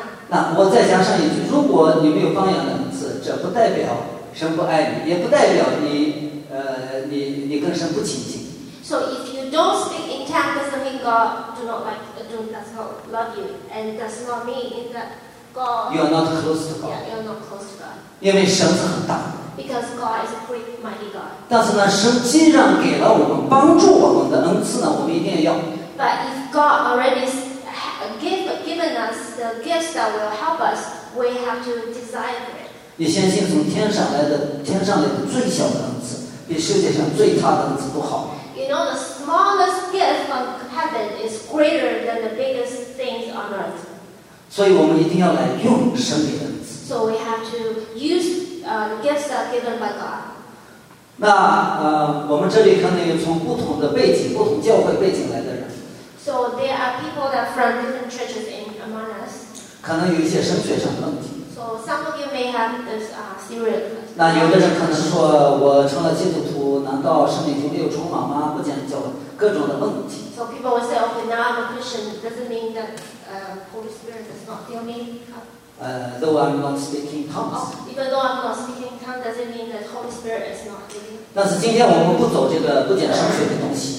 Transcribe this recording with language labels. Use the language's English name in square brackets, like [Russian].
[Chinese] 那我再加上一句，如果你没有方言的恩赐，这不代表神不爱你，也不代表你你跟神不亲近。 [English] So if you don't speak in tongues, doesn't mean God do not like, do does not love you, and does not mean that God. You are not close to God. Yeah, you are not close to God. [Chinese] 因为神是很大的。 [English] Because God is a great, mighty God. [Chinese] 但是呢，神既然给了我们帮助我们的恩赐呢，我们一定要。 [English] But if God already given us the gifts that will help us, we have to desire for it. [Chinese] 你相信从天上来的天上来的最小的恩赐，比世界上最大的恩赐都好。 [English] You know the smallest gift from heaven is greater than the biggest things on earth. [Chinese] 所以我们一定要来用神给的恩赐。 [English] So we have to use gifts that are given by God. [Chinese] 那我们这里可能有从不同的背景、不同教会背景来的人。 [English] So there are people that are from different churches in among us. [Chinese] 可能有一些神学上的问题。 [English] So some of you may have this serious. [Chinese] 那有的人可能说，我成了基督徒，难道生命就没有充满吗？不讲究各种的问题。 [English] So people will say, okay, now I'm a Christian. Doesn't mean that Holy Spirit does not fill me. Though I'm not speaking tongues. Even though I'm not speaking tongues, doesn't mean that Holy Spirit is not giving. [Chinese] 但是今天我们不走这个不讲神学的东西。